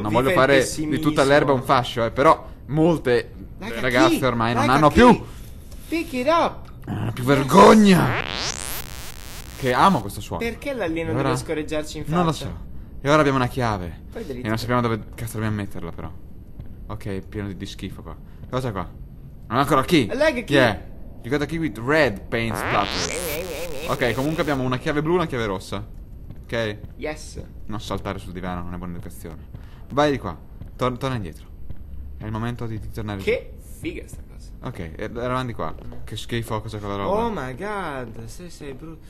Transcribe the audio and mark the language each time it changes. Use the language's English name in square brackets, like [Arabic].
[Italian] Non voglio fare di tutta l'erba un fascio, però... Molte ragazze ormai non hanno più. [English] Pick it up! [Italian] Non hanno più vergogna! Che amo questo suono. Perché l'alieno deve scorreggiarci in faccia? Non lo so. E ora abbiamo una chiave. E non sappiamo dove cazzo dobbiamo metterla, però. Ok, pieno di schifo qua. Cosa qua? Non ho ancora chi? [English] Leg key! Yeah. You got a key with red paint splatter. [Italian] Ok, comunque abbiamo una chiave blu e una chiave rossa. Ok? [English] Yes. [Italian] Non saltare sul divano, non è buona educazione. Vai di qua. Torna indietro. È il momento di tornare. Che figa sta cosa. Ok, eravamo di qua. Che schifo, cosa è quella roba. [English] Oh my god, [Italian] sei brutto.